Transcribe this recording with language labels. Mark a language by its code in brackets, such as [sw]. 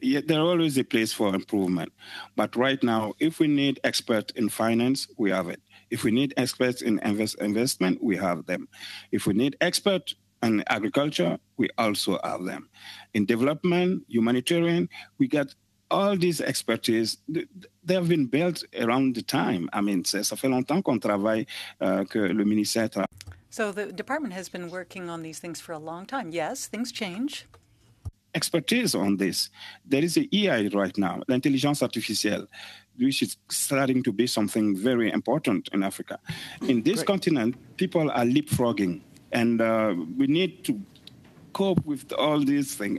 [en] Yeah, there are always a place for improvement. But right now, if we need expert in finance, we have it. If we need experts in investment, we have them. If we need experts in agriculture, we also have them. In development, humanitarian, we got all these expertise. They have been built around the time. I mean, [fr] ça fait longtemps qu'on travaille que le ministère travaille. [en] So the department has been working on these things for a long time. Yes, things change. Expertise on this. There is the AI right now, [fr] l'intelligence artificielle, [en] which is starting to be something very important in Africa. In this Great. Continent, people are leapfrogging, and we need to cope with all these things.